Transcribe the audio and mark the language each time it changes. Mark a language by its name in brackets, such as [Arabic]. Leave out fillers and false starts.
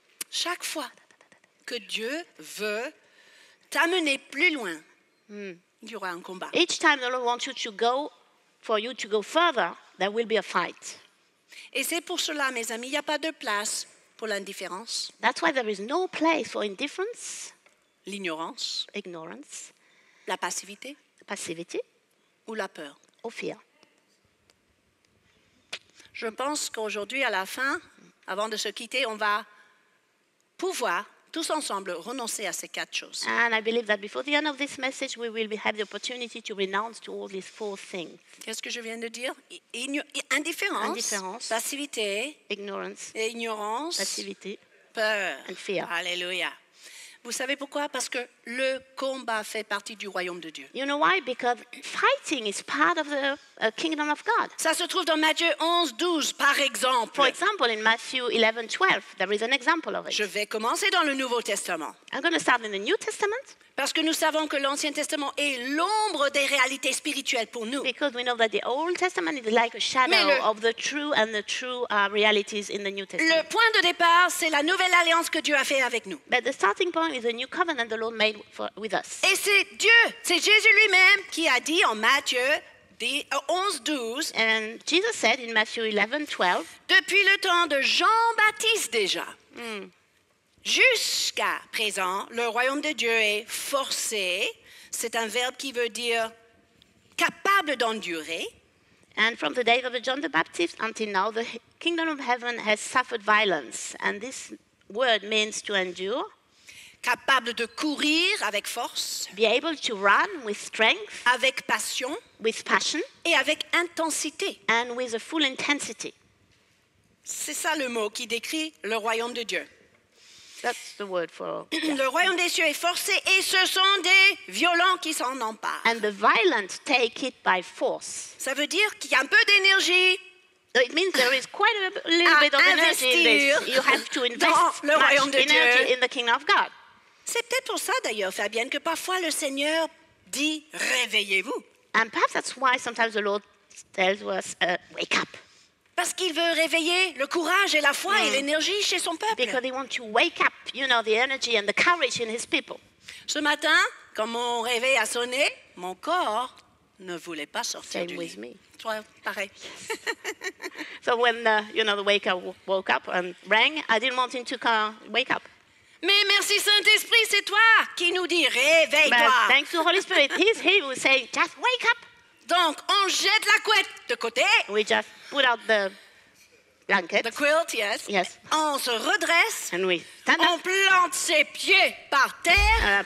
[French] Chaque fois que Dieu veut t'amener plus loin, il y aura un combat. [English] Each time the Lord wants you to go, for you to go further, there will be a fight. [French] Et c'est pour cela, mes amis, il n'y a pas de place pour l'indifférence. [English] That's why there is no place for indifference. [French] L'ignorance. [English] Ignorance. [French] La passivité. [English] Passivity. [French] Ou la peur. [English] Or fear. [French] Je pense qu'aujourd'hui, à la fin, avant de se quitter, on va pouvoir tous ensemble renoncer à ces quatre choses. [English] And I believe that before the end of this message, we will have the opportunity to renounce to all these four things. [French] Qu'est-ce que je viens de dire? Indifférence. Passivité. Ignorance. Et ignorance. Passivité. Peur. [English] And fear. [French] Alléluia. Vous savez pourquoi? Parce que le combat fait partie du royaume de Dieu. [English] You know why? Because fighting is part of the kingdom of God. [French] Ça se trouve dans Matthieu 11, 12, par exemple. [English] For example, in Matthew 11, 12, there is an example of it. [French] Je vais commencer dans le Nouveau Testament. [English] I'm going to start in the New Testament. [French] Parce que nous savons que l'Ancien Testament est l'ombre des réalités spirituelles pour nous. [English] Because we know that the Old Testament is like a shadow of the true and the true realities in the New Testament. [French] Le point de départ, c'est la nouvelle alliance que Dieu a fait avec nous. [English] But the starting point is a new covenant the Lord made with us. [French] Et c'est Dieu, c'est Jésus lui-même qui a dit en Matthieu 11, 12. [English] And Jesus said in Matthew 11, 12. [French] Depuis le temps de Jean-Baptiste déjà. Jusqu'à présent, le royaume de Dieu est forcé. C'est un verbe qui veut dire capable d'endurer. [English] And from the days of John the Baptist until now, the kingdom of heaven has suffered violence. And this word means to endure. [French] Capable de courir avec force. [English] Be able to run with strength. [French] Avec passion. [English] With passion. [French] Et avec intensité. [English] And with a full intensity. [French] C'est ça le mot qui décrit le royaume de Dieu. [English] That's the word for. Yeah. [French] Le royaume des cieux est forcé et ce sont des violents qui s'en emparent. [English] And the violent take it by force. [French] Ça veut dire qu'il y a un peu d'énergie. [English] It means there is quite a little bit of energy in this. You have to invest [French] le royaume de [English] energy [French] Dieu. [English] In the kingdom of God. [French] C'est peut-être pour ça d'ailleurs, Fabienne, que parfois le Seigneur dit réveillez-vous. [English] And perhaps that's why sometimes the Lord tells us wake up. [French] Parce qu'il veut réveiller le courage et la foi et l'énergie chez son peuple. [English] Because he wants to wake up, you know, the energy and the courage in his people. [French] Ce matin, quand mon réveil a sonné, mon corps ne voulait pas sortir [English] Same [French] du [English] with [French] lit. [English] Me. [French] Toi, pareil. [English] Yes. So when the wake up woke up and rang, I didn't want him to come wake up. [French] Mais merci Saint-Esprit, c'est toi qui nous dis réveille-toi. [English] But thanks to Holy Spirit, he's he who say just wake up. [French] Donc, on jette la couette de côté. [English] We just put out the blanket. The quilt, yes. Yes. [French] On se redresse. [English] And we stand up. [French] On plante ses pieds par terre.